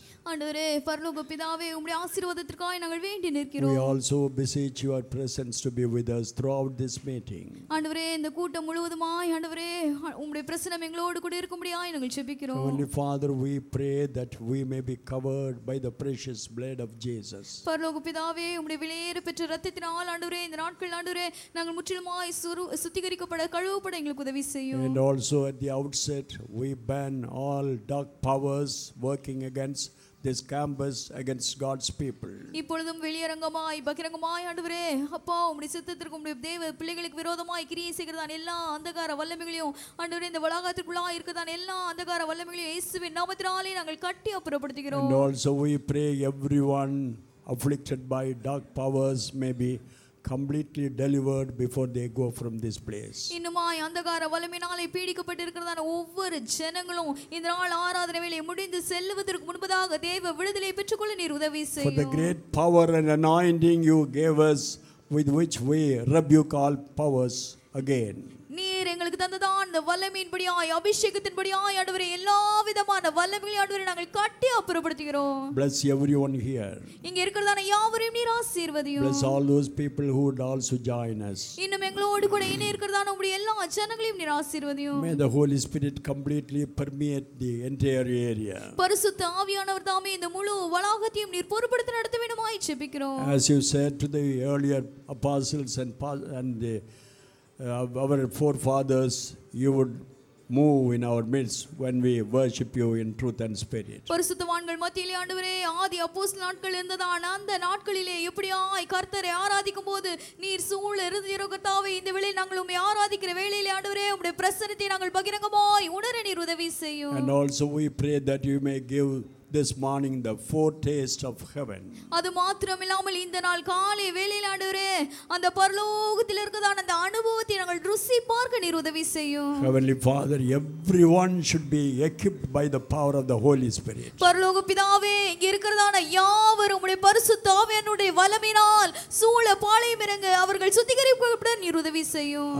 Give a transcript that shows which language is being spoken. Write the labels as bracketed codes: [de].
[ta] ஆண்டவரே பரலோக பிதாவே உம்முடைய ஆசீர்வாதத்திற்காக நாங்கள் வேண்டி நிற்கிறோம். [en] We also beseech your presence to be with us throughout this meeting. [ta] ஆண்டவரே இந்த கூட்டம் முழுவதுமாய் ஆண்டவரே உம்முடைய பிரசன்னம் எங்களோடு கூட இருக்கும்படியாய் நாங்கள் ஜெபிக்கிறோம். [en] Heavenly Father, we pray that we may be covered by the precious blood of Jesus. [ta] பரலோக பிதாவே உம்முடைய விலையேறப்பெற்ற இரத்தத்தினால் ஆண்டவரே இந்த நாட்கள் ஆண்டவரே நாங்கள் முற்றிலுமாய் சுத்திகரிக்கப்பட கழுவப்பட எங்களுக்கு உதவி செய்யும். [en] And also at the outset we ban all dark powers working against this campus, against God's people. [ta] இப்பொழுதும் வெளியரங்கமாய் பகிரங்கமாய் ஆண்டவரே அப்பா உம்முடைய சித்தத்திற்கு உம்முடைய தேவ பிள்ளைகளுக்கு விரோதமாய் கிரியை செய்கிறதான் எல்லா அந்தகார வல்லமைகளையும் ஆண்டவரே இந்த வளாகத்திற்குள்ளாய் இருக்கிறதான் எல்லா அந்தகார வல்லமைகளையும் இயேசுவின் நாமத்தினாலே நாங்கள் கட்டி அப்புறப்படுத்துகிறோம். [en] And also we pray everyone afflicted by dark powers may be completely delivered before they go from this place. [ta] இன்னுமாய் அந்தகார வலமினாலே பீடிக்கப்பட்டிருக்கிறதான ஒவ்வொரு ஜனங்களும் இந்த நாள் ஆராதனை வேளை முடிந்து செல்வதற்கு முன்பதாக தேவ விடுதலை பெற்றுக்கொள்ள நீர் உதவி செய்யும். [en] For the great power and anointing you gave us with which we rebuke all powers again. [ta] நீர் எங்களுக்கு தந்ததான் இந்த வல்லமையின்படியாய் அபிஷேகத்தின்படியாய் ஆண்டவரே எல்லா விதமான வல்லமைகளையும் ஆண்டவரே நாங்கள் கட்டி அப்புறப்படுத்துகிறோம். [en] Bless everyone here. [ta] இங்க இருக்கிறதான யாவரையும் நீர் ஆசீர்வதியும். [en] Bless all those people who would also join us. [ta] இன்னும் எங்களோடு கூட இணை இருக்கிறதான உங்க எல்லா ஜனங்களையும் நீர் ஆசீர்வதியும். [en] May the Holy Spirit completely permeate the entire area. [ta] பரிசுத்த ஆவியானவர் தாமே இந்த முழு வளாகத்தையும் நீர் பொறுப்படுத்த நடத்த வேண்டுமாய் ஜெபிக்கிறோம். [en] As you said to the earlier apostles and the our forefathers, you would move in our midst when we worship you in truth and spirit. [ta] பரிசுத்தவான்கள் மத்தியிலே ஆண்டவரே ஆதி அப்போஸ்தல நாட்கள் இருந்ததான அந்த நாட்களிலே எப்படியாய் கர்த்தரை ஆராதிக்கும் போது நீர் சூழ் இருந்திருக்கத்தாவே இந்த வேளையில் நாங்கள் உம்மை ஆராதிக்கிற வேளையிலே ஆண்டவரே உம்முடைய பிரசன்னத்தை நாங்கள் பகிரங்கமாய் உணர நீர் உதவி செய்யும். [en] And also we pray that you may give this morning the foretaste of heaven. [ta] அது மாத்திரம் இல்லாமல் இந்த நாள் காலை வேளையில் ஆண்டவரே அந்த பரலோகத்தில் இருக்கதான அந்த அனுபவத்தை நாங்கள் ருசி பார்க்க நீர் உதவி செய்யும். [en] Heavenly Father, everyone should be equipped by the power of the Holy Spirit. [ta] பரலோக பிதாவே இங்க இருக்கிறதான யாவரும் உம்முடைய பரிசுத்த ஆவியானவருடைய வல்லமையினால் சூழ பாளையமிருங்க அவர்கள் சுத்திகரிக்கப்பட நீர் உதவி செய்யும்.